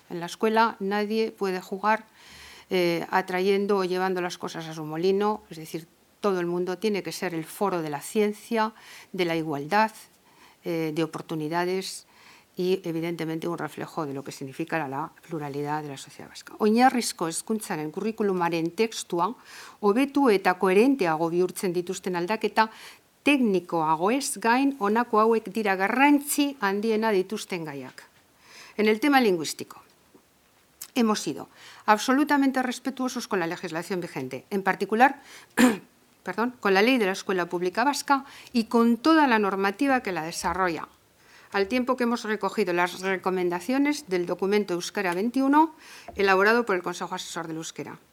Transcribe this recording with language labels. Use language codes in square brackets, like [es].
[es] En la escuela nadie puede jugar atrayendo o llevando las cosas a su molino, es decir, todo el mundo tiene que ser el foro de la ciencia, de la igualdad, de oportunidades y, evidentemente, un reflejo de lo que significa la pluralidad de la sociedad vasca. [eu] Oinarrizko hezkuntzaren kurrikulumaren tekstua hobetu eta koherenteago bihurtzen dituzten aldaketa teknikoagoez gain honako hauek dira garrantzi handiena dituzten gaiak. [es] En el tema lingüístico, hemos sido absolutamente respetuosos con la legislación vigente, en particular con la ley de la escuela pública vasca y con toda la normativa que la desarrolla, al tiempo que hemos recogido las recomendaciones del documento Euskera 21 elaborado por el Consejo Asesor del Euskera.